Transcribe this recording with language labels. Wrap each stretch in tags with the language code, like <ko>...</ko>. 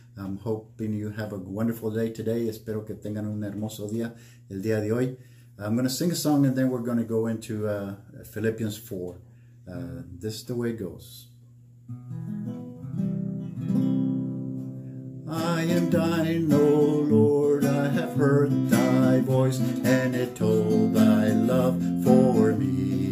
<en>I'm hoping you have a wonderful day today.</en> <es>Espero que tengan un hermoso día el día de hoy.</es> <en>I'm going to sing a song and then we're going to go into Philippians 4. This is the way it goes. I am dying, O Lord, I have heard thy voice, and it told thy love for me.</en>